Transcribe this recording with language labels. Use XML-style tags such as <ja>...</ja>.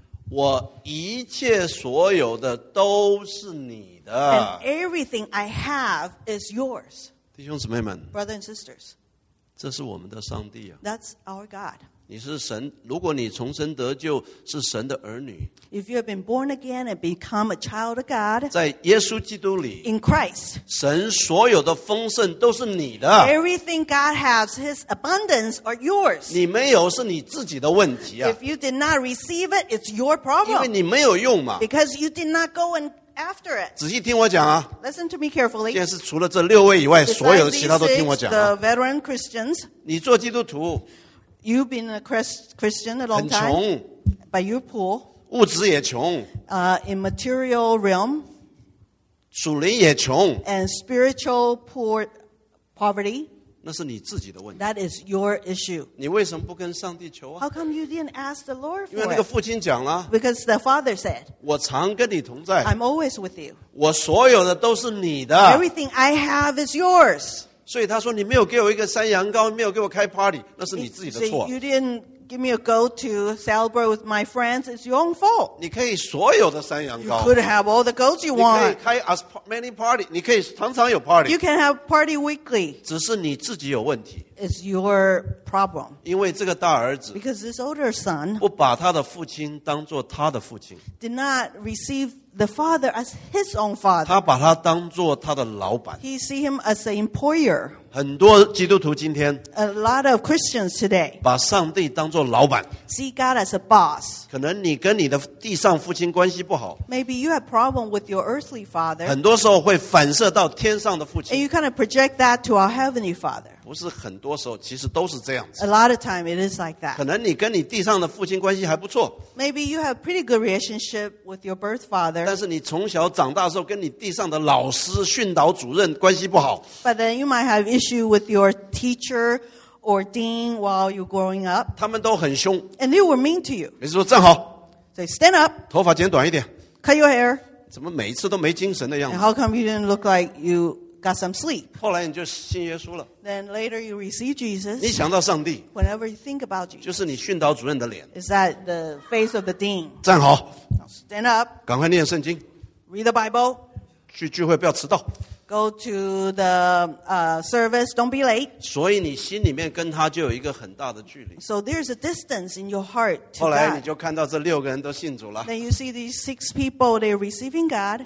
<zh>我一切所有的都是你的。</zh> <en>And everything I have is yours.</en> <zh>弟兄姊妹们。</zh> <en>Brothers and sisters.</en> <zh>这是我们的上帝啊。</zh> <en>That's our God.</en> <zh>你是神，如果你重生得救，是神的儿女。</zh> <en>If you have been born again and become a child of God,</en> <zh>在耶稣基督里</zh> <en>，in Christ,</en> <zh>神所有的丰盛都是你的。</zh> <en>Everything God has, His abundance are yours.</en> <zh>你没有是你自己的问题啊。</zh> <en>If you did not receive it, it's your problem.</en> <zh>因为你没有用嘛。</zh> <en>Because you did not go and after it.</en> <zh>仔细听我讲啊。</zh> <en>Listen to me carefully.</en> <zh>现在是除了这六位以外，所有的其他都听我讲啊。</zh> <en>The veteran Christians.</en> <zh>你做基督徒。</zh> <en>You've been a Christian a long time, but you're poor.</en> <zh>物质也穷。</zh> <en>In material realm,</en> <zh>属灵也穷。</zh> <en>And spiritual poverty.</en> <zh>那是你自己的问题。</zh> <en>That is your issue.</en> <zh>你为什么不跟上帝求啊？</zh> <en>How come you didn't ask the Lord for it?</en> <zh>因为那个父亲讲了。</zh> <en>Because the father said,</en> <zh>我常跟你同在。</zh> <en>I'm always with you.</en> <zh>我所有的都是你的。</zh> <en>Everything I have is yours.</en> <zh>所以他说你没有给我一个山羊羔，没有给我开 party， 那是你自己的错。</zh> <en>So you didn't give me a goat to celebrate with my friends. It's your own fault.</en> <zh>你可以所有的山羊羔。</zh> <en>You could have all the goats you want.</en> <zh>你可以开</zh> <en>as many party，</en> <zh>你可以常常有 party.</zh> <en>You can have party weekly.</en> <zh>只是你自己有问题。</zh> <en>It's your problem.</en> <zh>因为这个大儿子。</zh> <en>Because this older son.</en> <zh>不把他的父亲当做他的父亲。</zh> <en>Did not receive. The father as his own father.</en> <zh>他把他当作他的老板。</zh> <en>He see him as an employer.</en> <zh>很多基督徒今天。</zh> <en>A lot of Christians today.</en> <zh>把上帝当作老板。</zh> <en>See God as a boss.</en> <zh>可能你跟你的地上父亲关系不好。</zh> <en>Maybe you have problem with your earthly father.</en> <zh>很多时候会反射到天上的父亲。</zh> <en>And you kind of project that to our heavenly father.</en> <zh>不是很多时候，其实都是这样子。</zh> <en>A lot of time it is like that.</en> <zh>可能你跟你地上的父亲关系还不错。</zh> <en>Maybe you have pretty good relationship with your birth father.</en> <zh>但是你从小长大的时候跟你地上的老师训导主任关系不好。</zh> <en>But then you might have issue with your teacher or dean while you're growing up.</en> <zh>他们都很凶。</zh> <en>And they were mean to you.</en> <zh>你说站好。</zh> <en>Say stand up.</en> <zh>头发剪短一点。</zh> <en>Cut your hair.</en> <zh>怎么每一次都没精神的样子。</zh> <en>And how come you didn't look like you got some sleep?</en> <zh>后来你就信耶稣了。</zh> <en>Then later you receive Jesus.</en> <zh>你想到上帝。</zh> <en>Whenever you think about Jesus.</en> <zh>就是你训导主任的脸。</zh> <en>Is that the face of the dean?</en> <zh>站好。</zh> <en>Stand up.</en> <zh>赶快念圣经。</zh> <en>Read the Bible.</en> <zh>去聚会不要迟到。</zh> <en>Go to the service. Don't be late.</en> <zh>所以你心里面跟他就有一个很大的距离。</zh> <en>So there's a distance in your heart to God.</en> <zh>后来你就看到这六个人都信主了。</zh> <en>Then you see these six people, they're receiving God.</en>